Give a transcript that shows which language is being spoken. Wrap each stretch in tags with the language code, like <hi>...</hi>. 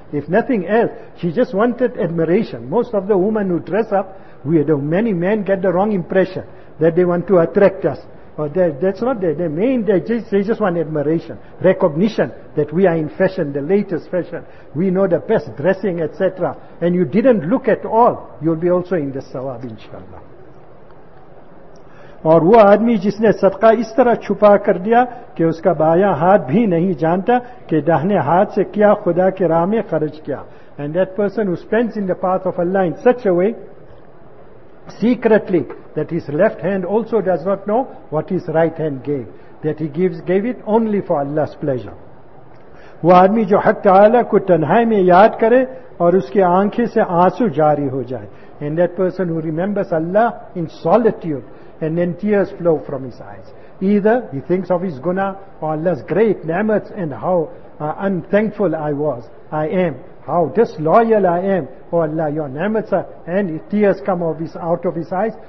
<en>If nothing else, she just wanted admiration. Most of the women who dress up, many men get the wrong impression that they want to attract us. Or that's not their main. They just want admiration, recognition that we are in fashion, the latest fashion. We know the best dressing, etc. And you didn't look at all, you'll be also in the sawab, inshallah.</en> <ur>اور وہ آدمی جس نے صدقہ اس طرح چھپا کر دیا کہ اس کا بایاں ہاتھ بھی نہیں جانتا کہ داہنے ہاتھ سے کیا خدا کے راہ میں خرچ کیا.</ur> <en>And that person who spends in the path of Allah in such a way, secretly, that his left hand also does not know what his right hand gave, that he gave it only for Allah's pleasure.</en> <ur>وہ آدمی جو حق تعالیٰ کو تنہائی میں یاد کرے اور اس کے آنکھیں سے آنسو جاری ہو جائے.</ur> <en>And that person who remembers Allah in solitude, and then tears flow from his eyes. Either he thinks of his guna or Allah's great ni'mat and how unthankful I am, how disloyal I am. Oh Allah, your ni'mat, and tears come out of his eyes.</en>